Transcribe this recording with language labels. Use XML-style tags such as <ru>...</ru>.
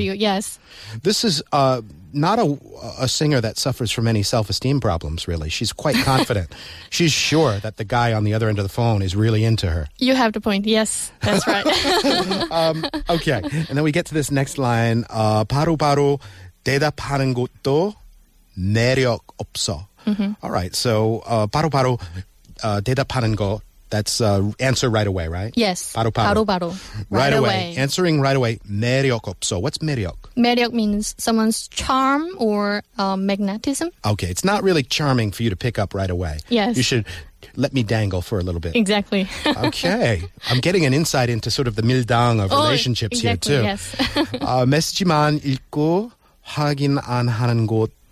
<en>You, yes. This is not a singer that suffers from any self-esteem problems, really. She's quite confident. She's sure that the guy on the other end of the phone is really into her. You have the point. Yes, that's right. Okay, and then we get to this next line.</en> <ko>바로바로 대답하는 것도 매력 없어.</ko> <en>All right, so</en> <ko>바로바로 대답하는 거.</ko> <en>That's answer right away, right? Yes.</en> <ko>바로바로. 바로바로.</ko> <en>Right away. Answering right away.</en> <ko>매력 없어.</ko> <en>What's 매력? 매력 means someone's charm or magnetism. Okay. It's not really charming for you to pick up right away. Yes. You should let me dangle for a little bit. Exactly. Okay. I'm getting an insight into sort of the 밀당 of relationships exactly, here, too. Yes.</en> <ko>메시지만 읽고 확인 안 하는 곳.</ko>